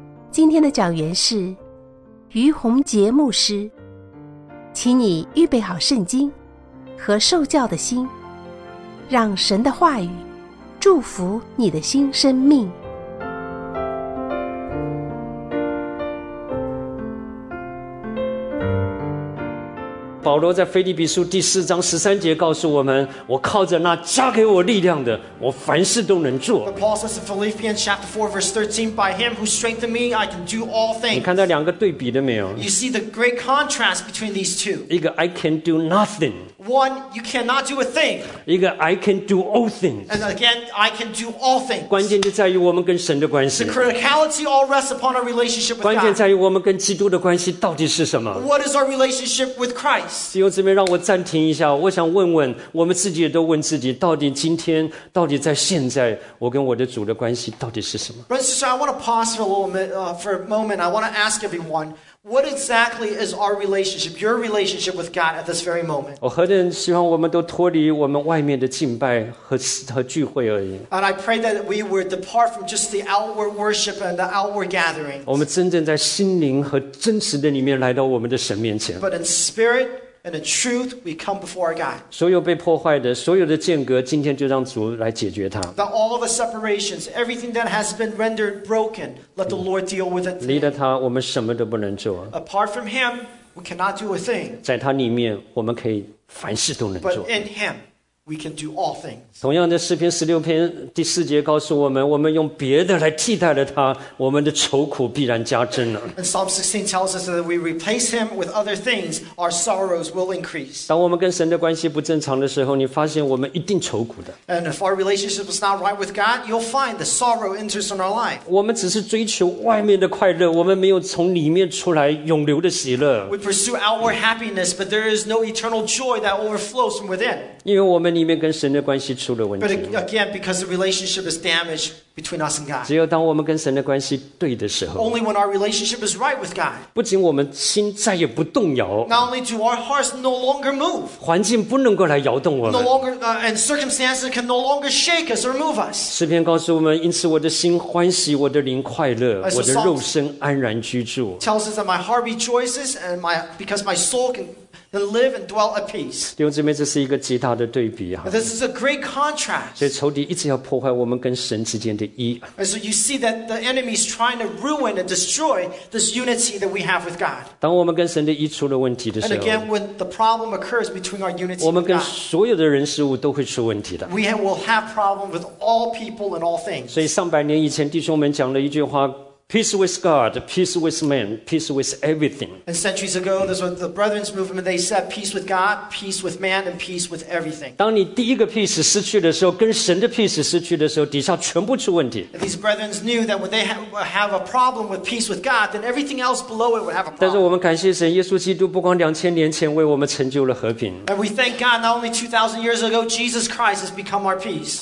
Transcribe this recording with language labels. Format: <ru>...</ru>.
<zh>今天的讲员是于洪杰牧师，请你预备好圣经和受教的心，让神的话语祝福你的新生命。保罗在腓立比书第四章十三节告诉我们，我靠着那加给我力量的，我凡事都能做。</zh> <en>Paul says in Philippians chapter 4 verse 13, by him who strengthened me, I can do all things.</en> <zh>你看到两个对比了没有？</zh> <en>You see the great contrast between these two.</en> <zh>一个</zh> <en>I can do nothing. One, you cannot do a thing.</en> <zh>一个</zh> <en>I can do all things. And again, I can do all things.</en> <zh>关键就在于我们跟神的关系。</zh> <en>The criticality all rests upon our relationship with God.</en> <zh>关键在于我们跟基督的关系到底是什么？</zh> <en>What is our relationship with Christ?</en> <zh>弟兄姊妹，让我暂停一下，我想问问我们自己，也都问自己，到底今天，到底在现在，我跟我的主的关系到底是什么？</zh> <en>Brothers and sisters, I want to pause for a little bit, for a moment. I want to ask everyone, what exactly is our relationship, your relationship with God at this very moment?</en> <zh>我何等希望我们都脱离我们外面的敬拜 和聚会而已。</zh> <en>And I pray that we would depart from just the outward worship and the outward gatherings.</en> <zh>我们真正在心灵和真实的里面来到我们的神面前。</zh> <en>But in spirit,And in truth, we come before our God.</en> <zh>所有被破坏的，所有的间隔，今天就让主来解决它。</zh> <en>That all the separations, everything that has been rendered broken, let the Lord deal with it.</en> <zh>离了他，我们什么都不能做。</zh> <en>Apart from Him, we cannot do a thing.</en> <zh>在他里面，我们可以凡事都能做。</zh> <en>But in Him, we can do all things.</en> <zh>同样的，诗篇十六篇第四节告诉我们，我们用别的来替代了他，我们的愁苦必然加增了。</zh> <en>And Psalm 16 tells us that if we replace him with other things, our sorrows will increase.</en> <zh>当我们跟神的关系不正常的时候，你发现我们一定愁苦的。</zh> <en>And if our relationship is not right with God, you'll find the sorrow enters in our life.</en> <zh>我们只是追求外面的快乐，我们没有从里面出来永留的喜乐。</zh> <en>We pursue outward happiness, but there is no eternal joy that overflows from within.</en> <zh>因为我们里面跟神的关系出了问题。</zh> <en>But again, because the relationship is damaged between us and God.</en> <zh>只有当我们跟神的关系对的时候。</zh> <en>Only when our relationship is right with God.</en> <zh>不仅我们心再也不动摇。</zh> <en>Not only do our hearts no longer move.</en> <zh>环境不能够来摇动我们。</zh> <en>No longer, and circumstances can no longer shake us or move us.</en> <zh>诗篇告诉我们，因此我的心欢喜，我的灵快乐，我的肉身安然居住。</zh> <en>Tells us that my heart rejoices and because my soul can. And live and dwell at peace.</en> <zh>弟兄姊妹，这是一个极大的对比啊。</zh> <en>This is a great contrast.</en> <zh>所以仇敌一直要破坏我们跟神之间的一。</zh> <en>And so you see that the enemy is trying to ruin and destroy this unity that we have with God.</en> <zh>当我们跟神的一出了问题的时候。</zh> <en>And again, when the problem occurs between our unity with God.</en> <zh>我们跟所有的人事物都会出问题的。</zh> <en>We will have problems with all people and all things.</en> <zh>所以上百年以前，弟兄们讲了一句话。</zh> <en>Peace with God, peace with man, peace with everything. And centuries ago, this was the Brethren's movement. They said, peace with God, peace with man, and peace with everything.</en> <zh>当你第一个 peace 失去的时候，跟神的 peace 失去的时候，底下全部出问题。</zh> <en>And these Brethren's knew that when they have a problem with peace with God, then everything else below it would have a problem.</en> <zh>但是我们感谢神，耶稣基督不光2000年前为我们成就了和平。</zh> <en>And we thank God not only 2000 years ago, Jesus Christ has become our peace.</en>